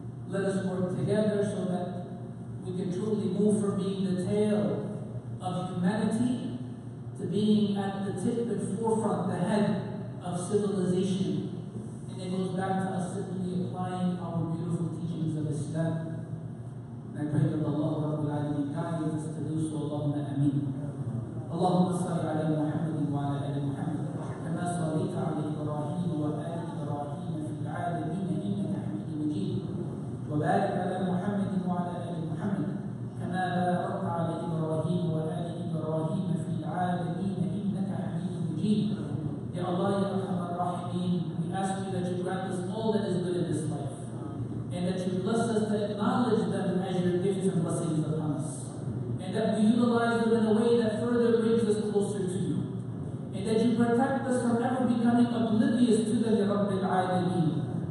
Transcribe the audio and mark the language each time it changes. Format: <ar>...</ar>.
<en>Let us work together so that we can truly move from being the tail of humanity to being at the tip and forefront, the head of civilization. And it goes back to us simply applying our beautiful teachings of Islam. And I pray that Allah Rabbul Alameen guides us to do so.</en> <ar>Allahumma ameen. اللهم صل على محمد وعلى آل محمد كما صليت على إبراهيم وآل إبراهيم في العالمين إنك حميد مجيد وبارك على محمد وعلى آل محمد كما باركت على إبراهيم وآل إبراهيم في العالمين إنك حميد مجيد. يا الله يا أرحم الراحمين,</ar> <en>we ask you that you grant us all that is good in this life, and that you bless us to acknowledge them as your gifts and blessings upon us, and that we utilize them in a way that further brings us closer to you, and that you protect us from ever becoming oblivious to the Rabbil Alameen.</en>